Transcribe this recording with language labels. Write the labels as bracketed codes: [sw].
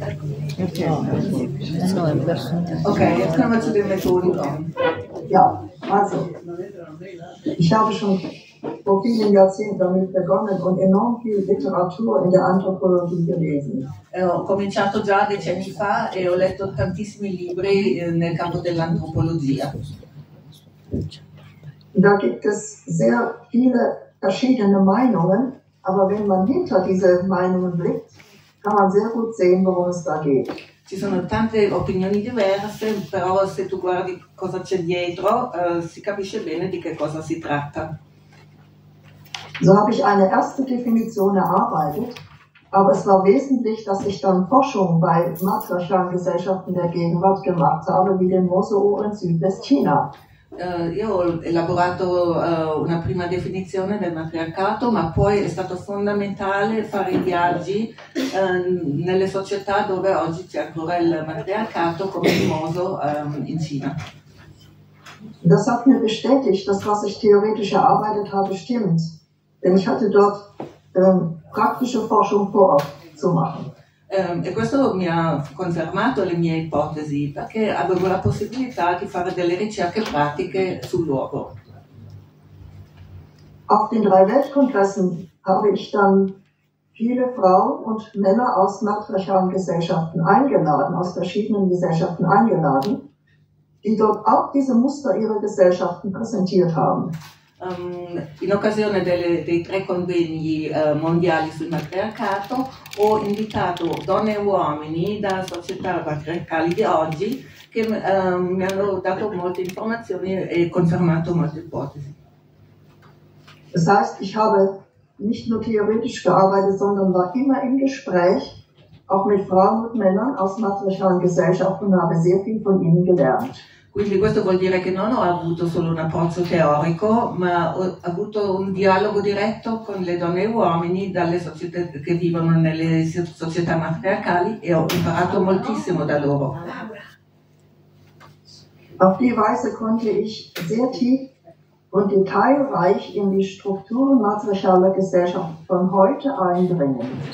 [de] Okay, jetzt können wir zu den Methoden kommen. Ja, also, ich habe schon vor vielen Jahrzehnten damit begonnen und enorm viel Literatur in der Anthropologie gelesen. [it] Ho cominciato già decenni fa e ho letto tantissimi libri nel campo dell'antropologia. [de] Da gibt es sehr viele verschiedene Meinungen, aber wenn man hinter diese Meinungen blickt, kann man sehr gut sehen, worum es da geht. [it] Ci sono tante opinioni diverse, però se tu guardi cosa c'è dietro, si capisce bene di che cosa si tratta. [de] So habe ich eine erste Definition erarbeitet, aber es war wesentlich, dass ich dann Forschung bei matriarchalen Gesellschaften der Gegenwart gemacht habe, wie den Mosuo in Südwestchina. [it] Io ho elaborato una prima definizione del matriarcato, ma poi è stato fondamentale fare i viaggi nelle società dove oggi c'è ancora il matriarcato, come il Moso in Cina. [de] Das hat mir bestätigt, dass was ich theoretisch erarbeitet habe, stimmt. Denn ich hatte dort praktische Forschung vor Ort zu machen. [it] E questo mi ha confermato le mie ipotesi, perché avevo la possibilità di fare delle ricerche pratiche sul luogo. [de] Auf den drei Weltkongressen habe ich dann viele Frauen und Männer aus matriarchalen Gesellschaften eingeladen, aus verschiedenen Gesellschaften eingeladen, die dort auch diese Muster ihrer Gesellschaften präsentiert haben. [it] In occasione dei tre convegni mondiali sul matriarcato ho invitato donne e uomini da società patriarcali di oggi che mi hanno dato molte informazioni e confermato molte ipotesi. [de] Das heißt, ich habe nicht nur theoretisch gearbeitet, sondern war immer im Gespräch auch mit Frauen und Männern aus matriarchalen Gesellschaften und habe sehr viel von ihnen gelernt. [it] Quindi questo vuol dire che non ho avuto solo un approccio teorico, ma ho avuto un dialogo diretto con le donne e gli uomini dalle società che vivono nelle società matriarcali e ho imparato moltissimo da loro. [de] Auf die Weise konnte ich sehr tief und detailreich in die Strukturen matriarchaler Gesellschaft von heute eindringen.